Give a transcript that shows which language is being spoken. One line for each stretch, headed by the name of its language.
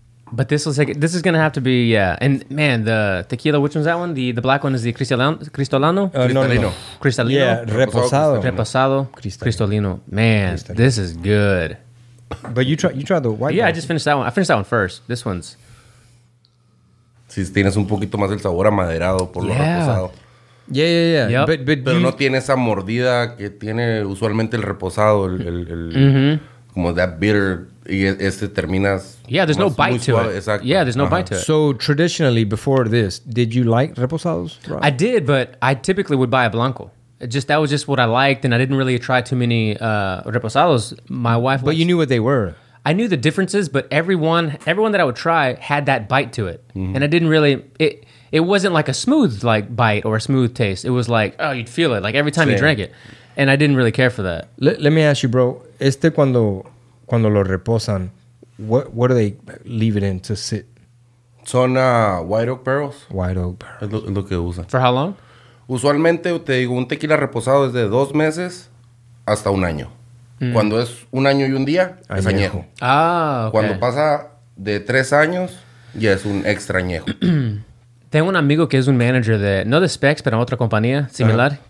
English: But this is going to have to be... Yeah. And man, the tequila, which one's that one? The black one is the Cristolano? Cristalino. Cristalino. Yeah, Reposado. Reposado. Cristolino. Man, this is good. But you try the white one. Yeah, I just finished that one. I finished that one first. This one's...
Spanish: Si tienes un poquito más el sabor amaderado por lo reposado.
English: Yeah, yeah, yeah. Yep.
Spanish: Pero you... no tiene esa mordida que tiene usualmente el reposado, el mm-hmm. como
English: that bitter.
Spanish: Y este terminas.
English: Yeah, there's no bite to it. Exacto. Yeah, there's no bite to it. So traditionally, before this, did you like reposados? Rob? I did, but I typically would buy a blanco. That was just what I liked, and I didn't really try too many reposados. My wife. But you knew what they were. I knew the differences, but everyone that I would try had that bite to it, mm-hmm. and I didn't really it. It wasn't like a smooth like bite or a smooth taste. It was like, oh, you'd feel it like every time you drank it, and I didn't really care for that. Let me ask you, bro.
Spanish: Cuando lo reposan,
English: what do they leave it in to sit? Son white oak barrels. White oak barrels.
Spanish: Es lo que usan.
English: For how long?
Spanish: Usualmente, te digo, un tequila reposado es de 2 meses hasta 1 año. Mm. Cuando es 1 año y un día, añejo. Es añejo.
English: Ah, okay.
Spanish: Cuando pasa de 3 años, ya es un extra añejo. Tengo un amigo que es un manager de, no de Specs, pero otra compañía similar, uh-huh.